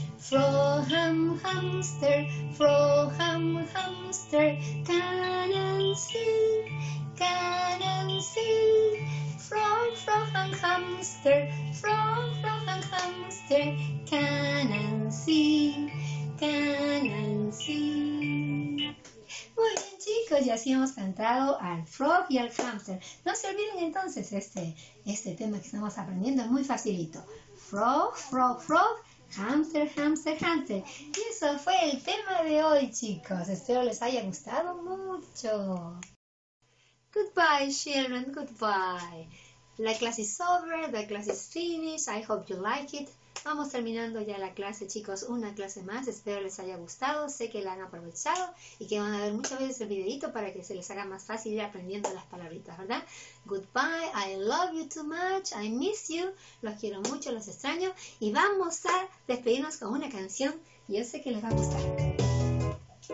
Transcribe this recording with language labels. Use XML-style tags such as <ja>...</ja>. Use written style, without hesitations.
<en>Frog and hamster, frog and hamster, can and sing, can and sing. Frog, frog and hamster, frog, frog and hamster, can and sing, can and sing.</en> <es>Chicos, y así hemos cantado al frog y al hamster. No se olviden entonces este tema que estamos aprendiendo, es muy facilito.</es> <en>Frog, frog, frog, hamster, hamster, hamster.</en> <es>Y eso fue el tema de hoy, chicos. Espero les haya gustado mucho.</es> <en>Goodbye, children, goodbye.</en> <es>La clase</es> <en>is over, the class is finished, I hope you like it.</en> <es>Vamos terminando ya la clase, chicos, una clase más. Espero les haya gustado, sé que la han aprovechado y que van a ver muchas veces el videito para que se les haga más fácil ir aprendiendo las palabritas, ¿verdad?</es> <en>Goodbye, I love you too much, I miss you,</en> <es>los quiero mucho, los extraño. Y vamos a despedirnos con una canción, yo sé que les va a gustar.</es>